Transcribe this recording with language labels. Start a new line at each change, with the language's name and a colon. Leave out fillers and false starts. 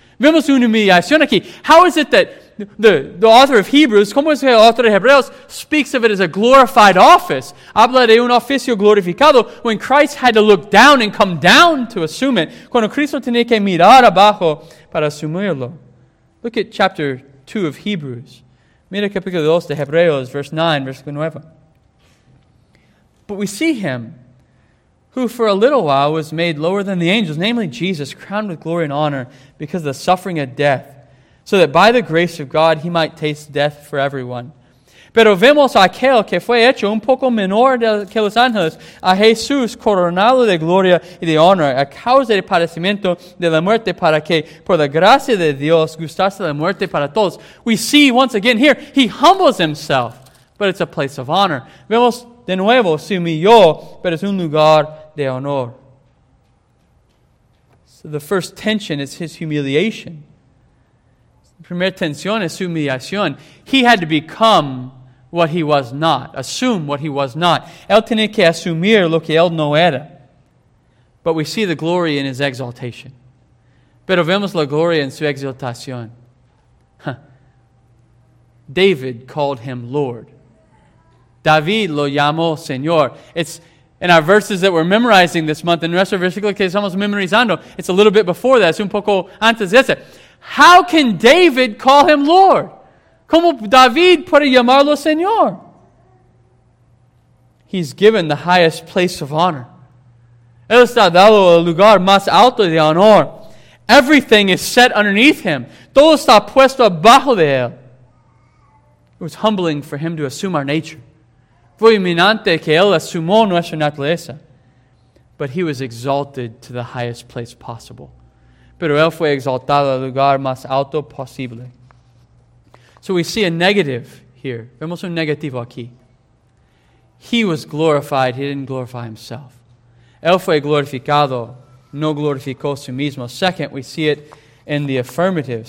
Spanish: Vemos una humillación aquí.
English: How is it that the author of Hebrews,
Spanish: como es que el autor de Hebreos,
English: speaks of it as a glorified office?
Spanish: Habla de un oficio glorificado
English: when Christ had to look down and come down to assume it.
Spanish: Cuando Cristo tenía que mirar abajo para asumirlo.
English: Look at chapter 2 of Hebrews.
Spanish: Mira capítulo 2 de Hebreos,
English: verse 9, versículo 9. But we see him who for a little while was made lower than the angels, namely Jesus, crowned with glory and honor because of the suffering of death, so that by the grace of God he might taste death for everyone.
Spanish: Pero vemos a aquel que fue hecho un poco menor que los ángeles, a Jesús coronado de gloria y de honor, a causa del padecimiento de la muerte, para que por la gracia de Dios gustase la muerte para todos.
English: We see once again here, he humbles himself, but it's a place of honor.
Spanish: Vemos de nuevo, se humilló, pero es un lugar de honor.
English: So the first tension is his humiliation.
Spanish: La primera tensión es su humillación.
English: He had to become what he was not, assume what he was not.
Spanish: Él tenía que asumir lo que él no era.
English: But we see the glory in his exaltation.
Spanish: Pero vemos la gloria en su exaltación.
English: David called him Lord.
Spanish: David lo llamó Señor.
English: It's in our verses that we're memorizing this month,
Spanish: in nuestro versículo que estamos memorizando,
English: it's a little bit before that,
Spanish: es un poco antes de ese.
English: How can David call him Lord?
Spanish: ¿Cómo David puede llamarlo Señor?
English: He's given the highest place of honor.
Spanish: Él está dado el lugar más alto de honor.
English: Everything is set underneath him.
Spanish: Todo está puesto abajo de él.
English: It was humbling for him to assume our nature.
Spanish: Fue humillante que él asumió nuestra naturaleza.
English: But he was exalted to the highest place possible.
Spanish: Pero él fue exaltado al lugar más alto posible.
English: So we see a negative here.
Spanish: Vemos un negativo aquí.
English: He was glorified, he didn't glorify himself.
Spanish: Él fue glorificado, no glorificó su mismo.
English: Second, we see it in the affirmative.